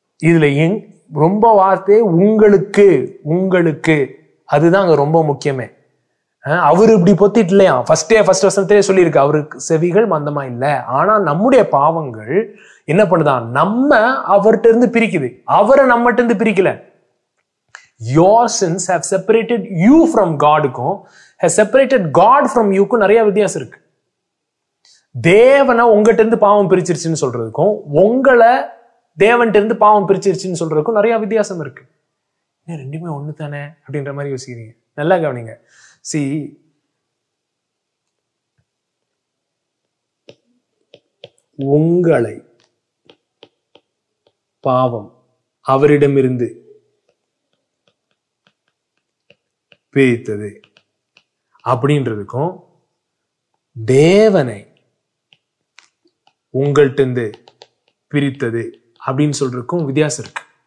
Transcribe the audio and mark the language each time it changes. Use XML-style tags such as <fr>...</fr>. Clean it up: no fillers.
<ta>இதுல ரொம்ப வார்த்தை உங்களுக்கு, உங்களுக்கு அதுதான் அங்க ரொம்ப முக்கியமே. அவர் இப்படி பொத்திட்டு இல்லையா, ஃபர்ஸ்ட் வசனத்திலே சொல்லியிருக்கு அவருக்கு செவிகள் மந்தமா இல்லை. ஆனா நம்முடைய பாவங்கள் என்ன பண்ணுதான், நம்ம அவர்கிட்ட இருந்து பிரிக்குது, அவரை நம்மகிட்ட இருந்து பிரிக்கல.</ta> <en>Your sins have separated you from God, has separated God from you.</en> <ta>கு நிறைய வித்தியாசம் இருக்கு. தேவனை உங்கள்கிட்ட இருந்து பாவம் பிரிச்சிருச்சுன்னு சொல்றதுக்கும், உங்களை தேவன்கிட்ட இருந்து பாவம் பிரிச்சிருச்சுன்னு சொல்றதுக்கும் நிறைய வித்தியாசம் இருக்கு. ஏன் ரெண்டுமே ஒன்று தானே அப்படின்ற மாதிரி யோசிக்கிறீங்க, நல்லா கவனிங்க. சி உங்களை பாவம் அவரிடமிருந்து பிரித்தது அப்படின்றதுக்கும், தேவனை உங்கள்கிட்டருந்து பிரித்தது அப்படின்னு சொல்றதுக்கும் வித்தியாசம் இருக்கு.</ta>